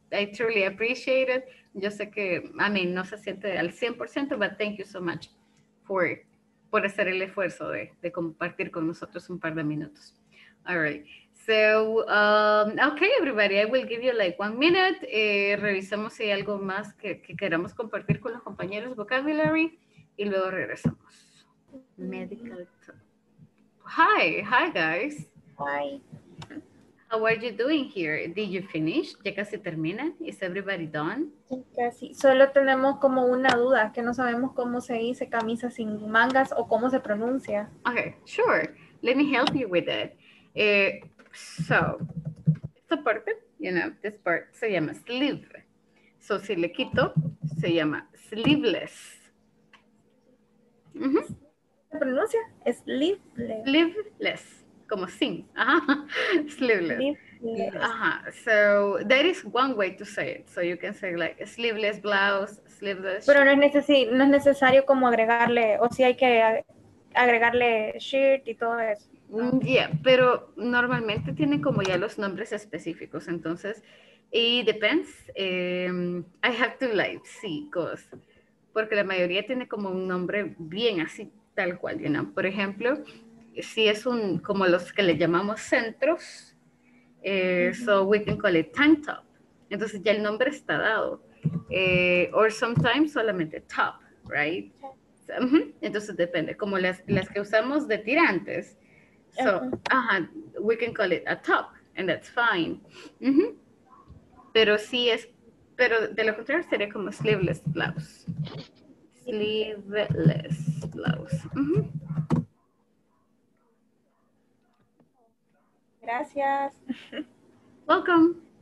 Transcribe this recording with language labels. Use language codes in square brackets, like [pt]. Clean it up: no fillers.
[en] I truly appreciate it. [es] Yo sé que, no se siente al 100%, [en] but thank you so much [es] por hacer el esfuerzo de compartir con nosotros un par de minutos. [en] All right. So, okay, everybody, I will give you like 1 minute. [es] Revisamos si hay algo más que queramos compartir con los compañeros, vocabulary, y luego regresamos. [en] Medical. Hi, hi, guys. Hi. How are you doing here? Did you finish? [es] ¿Ya casi termina? [en] Is everybody done? [es] Casi. Solo tenemos como una duda, que no sabemos cómo se dice camisa sin mangas o cómo se pronuncia. [en] Okay, sure. Let me help you with it. So, [es] esta parte, [en] you know, this part, [es] se llama [en] sleeve. [es] So, si le quito, se llama sleeveless. Mm-hmm. ¿Se pronuncia? Sleeveless. Sleeveless, como sin. Uh-huh. Sleeveless. [en] Sleeveless. Uh-huh. So, that is one way to say it. So, you can say like sleeveless blouse, sleeveless. [es] Pero no es necesario como agregarle, o si hay que agregarle shirt y todo eso. Yeah, pero normalmente tienen como ya los nombres específicos, entonces, [en] it depends, I have to like, see, cause, [es] porque la mayoría tiene como un nombre bien así, tal cual, [en] you know, [es] por ejemplo, si es un, como los que le llamamos centros, [en] so we can call it tank top, [es] entonces ya el nombre está dado, [en] or sometimes [es] solamente top, [en] right, so, [es] mm-hmm. Entonces depende, como las que usamos de tirantes. [en] So, we can call it a top, and that's fine. Mm-hmm. [es] Pero sí es, pero de lo contrario sería como sleeveless blouse. [en] Sleeveless blouse. Mm-hmm. [es] Gracias. [en] Welcome.